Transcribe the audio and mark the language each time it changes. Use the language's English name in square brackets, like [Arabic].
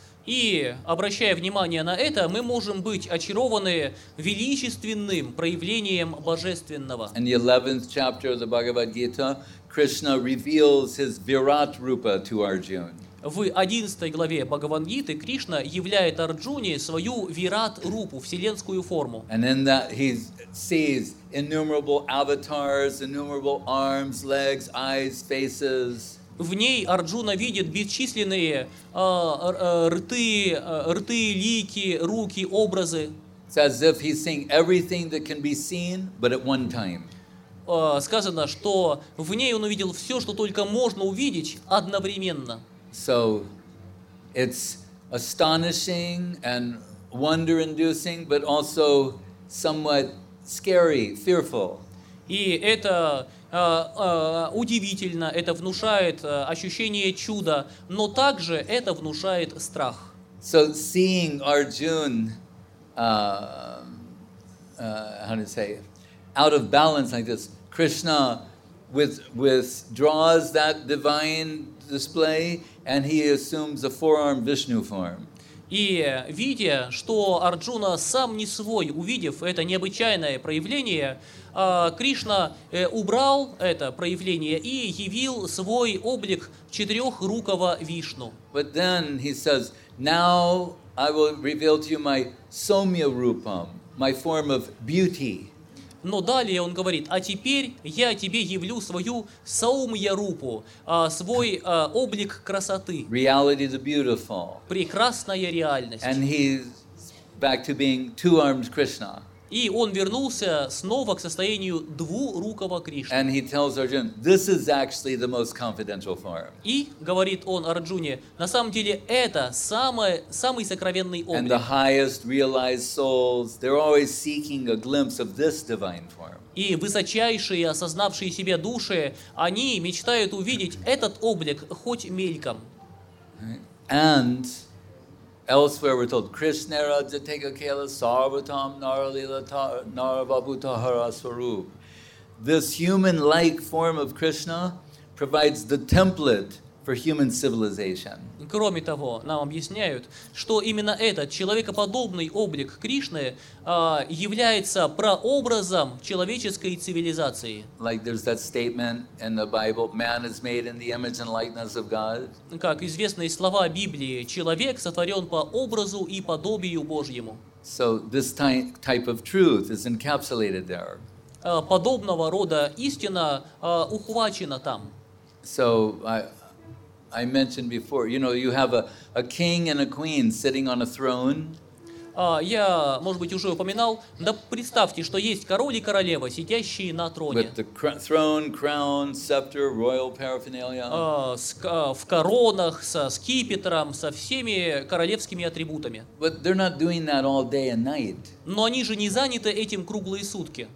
[Russian] И, обращая внимание на это, мы можем быть очарованы величественным проявлением божественного. [English] In the 11th chapter of the Bhagavad Gita, Krishna reveals his Virat Rupa to Arjuna. [Russian] В 11 главе Бхагавад-гиты Кришна являет Арджуне свою вират-рупу, вселенскую форму. [English] And in that he sees innumerable avatars, innumerable arms, legs, eyes, faces. [Russian] В ней Арджуна видит бесчисленные рты, лики, руки, образы. [English] It's as if he's seeing everything that can be seen, but at one time. [Russian] Сказано, что в ней он увидел все, что только можно увидеть одновременно. [English] So it's astonishing and wonder-inducing, but also somewhat scary, fearful. [Russian] И это удивительно, это внушает ощущение чуда, но также это внушает страх. [English] So seeing Arjuna, out of balance like this, Krishna withdraws that divine display, and he assumes a four-armed Vishnu form. [Russian] И видя, что Арджуна сам не свой, увидев это необычайное проявление, Кришна убрал это проявление и явил свой облик четырехрукого Вишну. [English] But then he says, "Now I will reveal to you my Soumya Rupam, my form of beauty." [Russian] Но далее он говорит, а теперь я тебе явлю свою Саумья-рупу, свой облик красоты. [English] Reality is beautiful. [Russian] Прекрасная реальность. [English] And he's back to being two-armed Krishna. [Russian] И он вернулся снова к состоянию двурукого Кришны. [English] And he tells Arjuna, this is actually the most confidential form. [Russian] И говорит он Арджуне, на самом деле это самый сокровенный облик. [English] And the highest realized souls, they're always seeking a glimpse of this divine form. [Russian] И высочайшие, осознавшие себя души, они мечтают увидеть этот облик хоть мельком. [English] And elsewhere we're told Krishna Rajateka Kala Sarvatam Naralila Naravabhutahara Swarup. This human-like form of Krishna provides the template for human civilization. [Russian] Кроме того, нам объясняют, что именно этот человекоподобный облик Кришны является прообразом человеческой цивилизации. [English] Like there's that statement in the Bible, man is made in the image and likeness of God. [Russian] Как известные слова Библии, человек сотворен по образу и подобию Божьему. [English] So this type of truth is encapsulated there. [Russian] Подобного рода истина ухвачена там. [English] So I mentioned before, you know, you have a king and a queen sitting on a throne. [Russian] Я, может быть, уже упоминал, да представьте, что есть король и королева, сидящие на троне. [English] With the throne, crown, scepter, royal paraphernalia. [Russian] В коронах, со скипетром, со всеми королевскими атрибутами. [English] But they're not doing that all day and night. [Russian] Но они же не заняты этим круглые сутки.